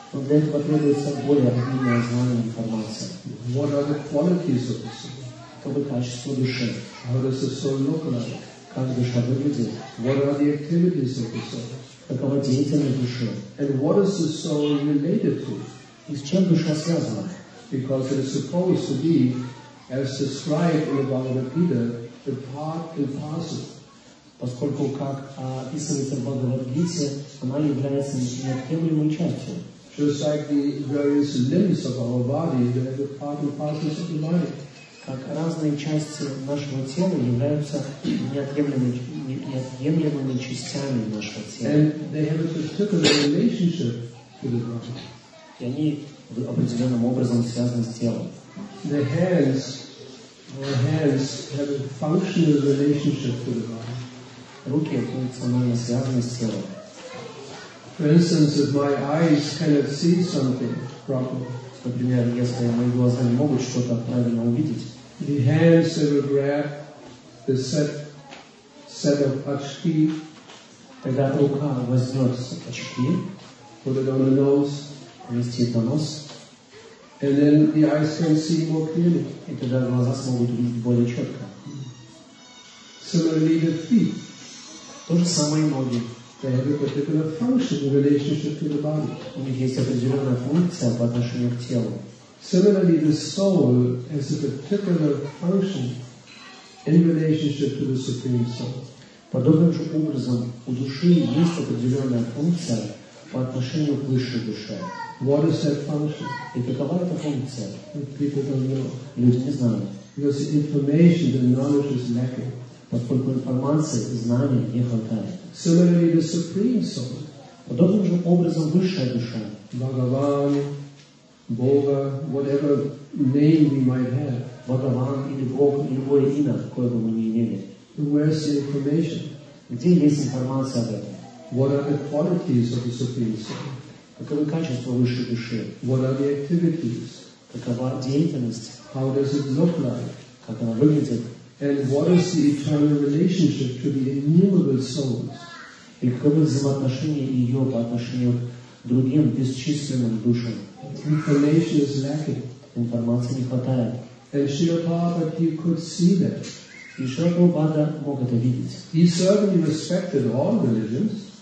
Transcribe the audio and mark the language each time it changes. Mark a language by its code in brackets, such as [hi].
[ru] Но для этого требуется более обильное знание информации. [en] What are the qualities of the soul? [ru] Каковы качества души? [en] How does the soul look like? [ru] Как душа выглядит? [en] What are the activities of the soul? [ru] Какова деятельность души? [en] And what is the soul related to? [ru] И с чем душа связана? [en] Because it is supposed to be, as described in the Bhagavad Gita, the part and parcel. [ru] Поскольку, как описывается в Бхагавад Гите, она является неотъемлемой частью. [en] Just like the various limbs of our body, they are the part and parcel of the body. [ru] Как разные части нашего тела являются неотъемлемыми частями нашего тела. [en] And they have a particular relationship to the body. [ru] И они определенным образом связаны с телом. [en] The hands, our hands have a functional relationship to the body. [ru] Руки функционально связаны с телом. [en] For instance, if my eyes cannot see something properly. [ru] Например, если мои глаза не могут что-то правильно увидеть. [en] The hands that will grab the set of очки, [ru] тогда рука возьмет очки, [en] put it on the nose, [ru] внести на нос, [en] and then the eyes can see more clearly. [ru] И тогда глаза смогут видеть более четко. [en] Similarly, the feet. [ru] То же самое и ноги. [en] They have a particular function in relationship to the body. [ru] У них есть определенная функция по отношению к телу. [en] Similarly, the soul has a particular function in relationship to the Supreme Soul. [ru] Подобным же образом, у души есть определенная функция по отношению к высшей душе. [en] What is that function? [ru] И какова эта функция? [en] People don't know. [ru] Люди не знают. [en] Because the information, the knowledge is lacking. [ru] Поскольку информации и знания не хватает. [en] Similarly, the Supreme Soul. [ru] Подобным же образом, высшая душа. [en] Bhagavan. Бога, whatever name we might have, [ru] Бхагаван или Бог, любое имя, какое бы мы ни имели. [en] Where's the information? [ru] Где есть информация об этом? [en] What are the qualities of the Supreme Soul? [ru] Каковы качества высшей души? [en] What are the activities? [ru] Какова деятельность [en] How does it look like? [ru] Как она выглядит? [en] And what is the eternal relationship to the innumerable souls? [ru] И каково взаимоотношение ее по отношению к другим бесчисленным душам? [en] Information is lacking. [ru] Информации не хватает. [en] And Srila Prabhupada could see that. [ru] И Шрила Прабхупада мог это видеть. [en] He certainly respected all religions.